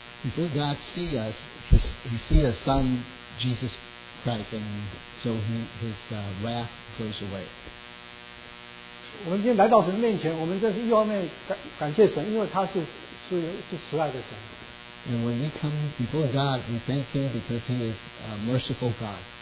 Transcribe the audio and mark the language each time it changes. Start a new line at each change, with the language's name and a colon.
English: Before God sees us, He sees His Son Jesus Christ, and so His wrath goes away.
Chinese: 我们今天来到神面前，我们这是一方面感谢神，因为他是慈爱的神。
English: And when we come before God, we thank Him because He is a merciful God.